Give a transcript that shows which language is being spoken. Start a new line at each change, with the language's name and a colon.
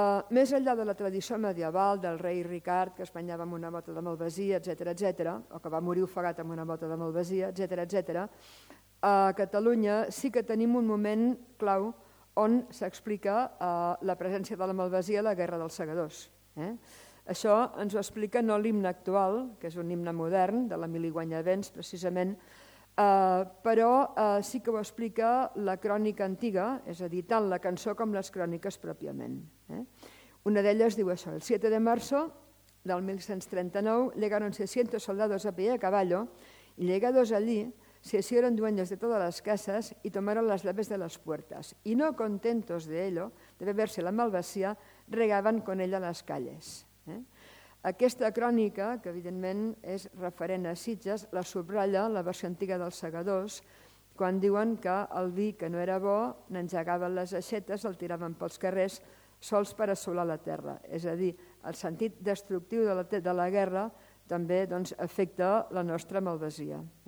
Catalan: Més enllà de la tradició medieval del rei Ricard que es banyava amb una bota de malvasia, etcètera, etcètera, o que va morir ofegat amb una bota de malvasia, etcètera, etcètera, a Catalunya sí que tenim un moment clau on s'explica la presència de la malvasia a la Guerra dels Segadors. Això ens ho explica no l'himne actual, que és un himne modern, de l'Emili Guanyavents, precisament, però sí que ho explica la crònica antiga, és a dir, tant la cançó com les cròniques pròpiament. Una d'elles diu això,
Spanish: el 7 de marzo del 1639 llegaron 600 soldados a pie a caballo y llegados allí se hicieron dueños de todas las casas y tomaron las llaves de las puertas y no contentos de ello, de beberse la malvasía, regaban con ella las calles.
Catalan: Aquesta crònica, que evidentment és referent a Sitges, la subratlla la versió antiga dels segadors quan diuen que el vi que no era bo n'engegaven les aixetes, el tiraven pels carrers sols per assolar la terra. És a dir, el sentit destructiu de la guerra també doncs, afecta la nostra malvasia.